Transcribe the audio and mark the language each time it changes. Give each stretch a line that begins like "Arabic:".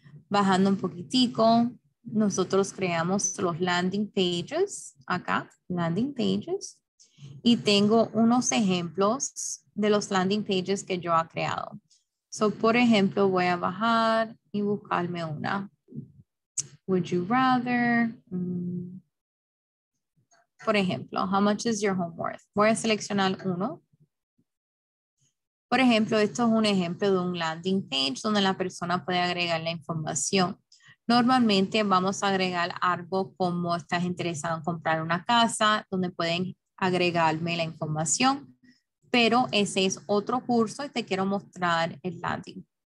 Spanish: Bajando un poquitico, nosotros creamos los landing pages acá, landing pages, y tengo unos ejemplos de los landing pages que yo he creado. So, por ejemplo, voy a bajar y buscarme una.
English: Would you rather?
Spanish: Por ejemplo,
English: how much is your home worth?
Spanish: Voy a seleccionar uno. Por ejemplo, esto es un ejemplo de un landing page donde la persona puede agregar la información. Normalmente vamos a agregar algo como estás interesado en comprar una casa, donde pueden agregarme la información. Pero ese es otro curso y te quiero mostrar el landing.